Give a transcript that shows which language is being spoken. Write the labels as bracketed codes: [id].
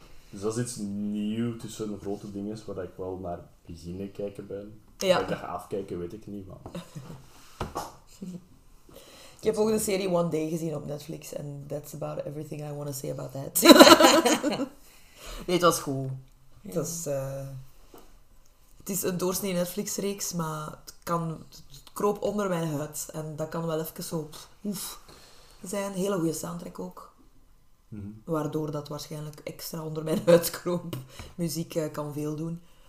[nl] Dus dat is iets nieuw tussen grote dingen waar ik wel naar beginnen kijken ben. Ja. Waar ik dat ga afkijken, weet ik niet, man. Ik heb ook de serie One Day gezien op Netflix. [en] And that's about everything I want to say about that. [nl] Nee, het was goed. Ja. Het is een doorsnee Netflix-reeks, maar het kroop onder mijn huid. En dat kan wel even zo zijn. Hele goede soundtrack ook. Mm-hmm. Waardoor dat waarschijnlijk extra onder mijn huid kroop. Muziek kan veel doen.